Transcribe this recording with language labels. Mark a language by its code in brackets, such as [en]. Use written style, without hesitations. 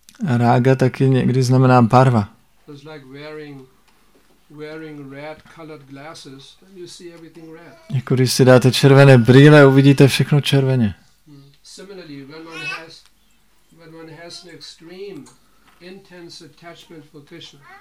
[cs] Rága taky někdy znamená barva. [en] It's like wearing red colored glasses, then you see everything red. [cs] Jako když si dáte červené brýle, uvidíte všechno červeně. [en] Similarly, when one has an extreme intense attachment for Krishna.